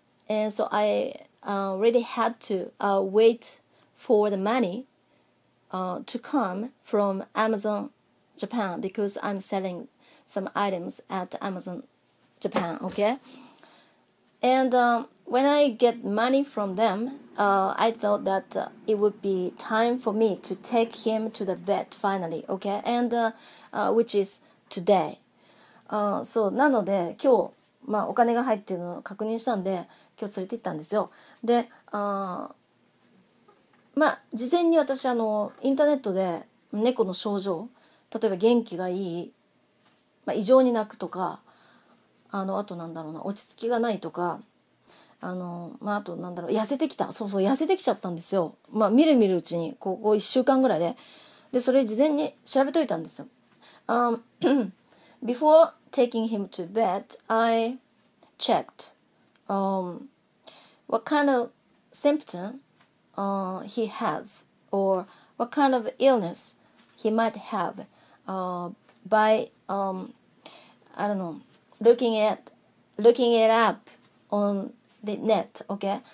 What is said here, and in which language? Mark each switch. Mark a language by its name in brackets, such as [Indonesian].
[English] And so I really had to wait for the money to come from Amazon Japan because I'm selling some items at Amazon Japan, okay? And when I get money from them, I thought that it would be time for me to take him to the vet finally, okay? And which is today. So, [Japanese] なので今日、まあ、お金が入ってるのを確認したんで今日連れて行ったんですよ。で、まあ事前に私インターネットで猫の症状、例えば元気がいい、まあ、異常に泣くとか、あとなんだろうな、落ち着きがないとか、まあ、あとなんだろう、痩せてきた、そうそう痩せてきちゃったんですよ、まあ、見る見るうちにここ1週間ぐらいで、でそれ事前に調べといたんですよ。 [English] Before taking him to bed, I checked what kind of symptom he has or what kind of illness he might have by I don't know, looking it up on the net, okay?